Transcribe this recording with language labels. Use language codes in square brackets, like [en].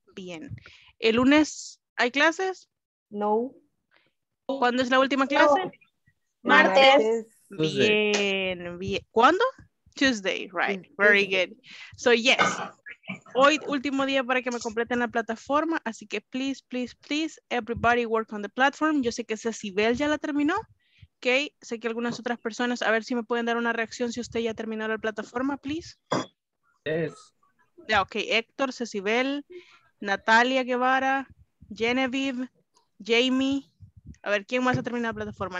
[es] Bien. ¿El lunes hay clases? No. ¿Cuándo es la última clase? No. Martes. Bien, bien. ¿Cuándo? [en] Tuesday, right. Very good. So, yes. [es] Hoy, último día para que me completen la plataforma. Así que, [en] please, please, please, everybody work on the platform. [es] Yo sé que Cecibel ya la terminó. Ok. Sé que algunas otras personas, a ver si me pueden dar una reacción si usted ya terminó la plataforma, please. [en] Yes. Yeah, ok. Héctor, Cecibel, Natalia Guevara, Genevieve, Jamie. [es] A ver, ¿quién más ha terminado la plataforma?